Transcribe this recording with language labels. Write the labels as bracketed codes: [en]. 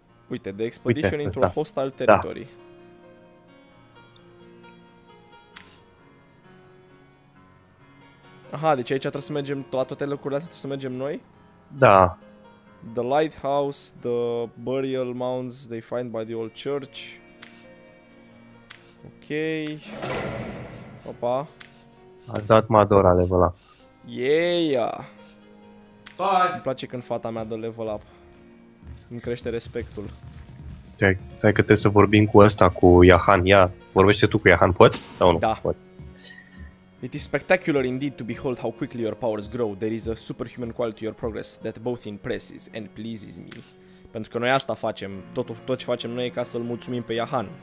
[en] Uite, the expedition into a hostile territory. Da. [ro] Aha, deci aici trebuie să mergem, la toate lucrurile astea trebuie să mergem noi? Da. [en] The lighthouse, the burial mounds they find by the old church. [ro] Ok. Opa. A dat Madora level up. [en] Yeah! Fine. [ro] Îmi place când fata mea dă level up. Îmi crește respectul. Stai că trebuie să vorbim cu ăsta, cu Yahan. Ia, vorbește tu cu Yahan, poți? Sau nu? Da. Poți. [en] It is spectacular indeed to behold how quickly your powers grow. There is a superhuman quality to your progress that both impresses and pleases me. [ro] Pentru că noi asta facem, tot ce facem noi e ca să-l mulțumim pe Yahan.